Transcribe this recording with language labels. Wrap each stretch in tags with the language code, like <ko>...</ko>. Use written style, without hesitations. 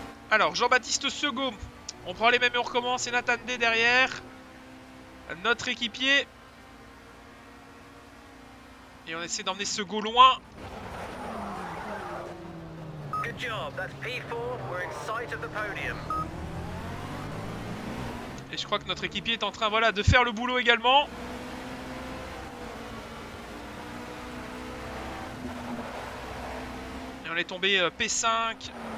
<fr>Alors, Jean-Baptiste Segaud, on prend les mêmes et on recommence. Et Nathan Day derrière. Notre équipier. Et on essaie d'emmener ce go loin.</fr> <en>Good job, that's P4, we're in sight of the podium.</en> <fr>Et je crois que notre équipier est en train, voilà, de faire le boulot également. Et on est tombé P5.</fr>